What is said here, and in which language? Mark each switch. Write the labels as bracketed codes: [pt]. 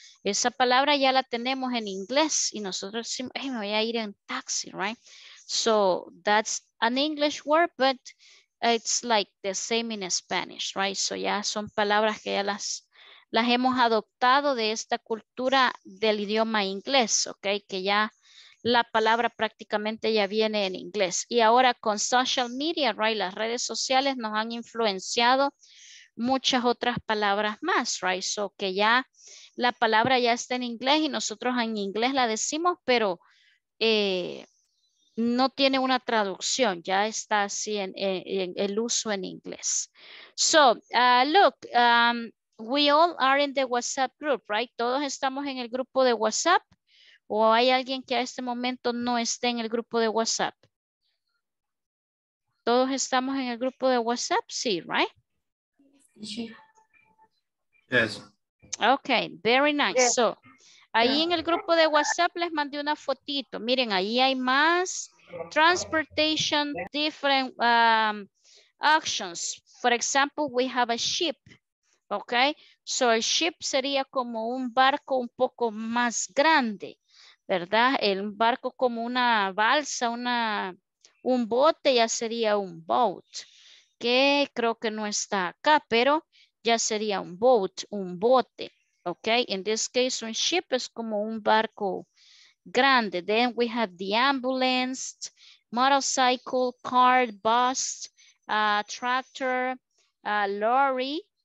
[es] Esa palabra ya la tenemos en inglés y nosotros decimos, hey, me voy a ir en taxi, right? [en] So that's an English word, but it's like the same in Spanish, right? [es] So ya son palabras que ya las hemos adoptado de esta cultura del idioma inglés, okay? Que ya la palabra prácticamente ya viene en inglés. Y ahora con social media, right? Las redes sociales nos han influenciado muchas otras palabras más, right? So que ya la palabra ya está en inglés y nosotros en inglés la decimos, pero no tiene una traducción, ya está así en el uso en inglés. [en] So, look, we all are in the WhatsApp group, right? [es] Todos estamos en el grupo de WhatsApp. ¿O hay alguien que a este momento no esté en el grupo de WhatsApp? ¿Todos estamos en el grupo de WhatsApp? Sí, right? [en] Yes. Ok, very nice. Yes. [es] So, ahí en el grupo de WhatsApp les mandé una fotito. Miren, ahí hay más [en] transportation, different options. For example, we have a ship. Ok, so [es] el ship sería como un barco un poco más grande, ¿verdad? El barco como una balsa, un bote, ya sería un boat, que creo que no está acá, pero ya sería un boat, un bote. [en] Ok, in this case, [es] un ship es como un barco grande. [en] Then we have the ambulance, motorcycle, car, bus, tractor, lorry.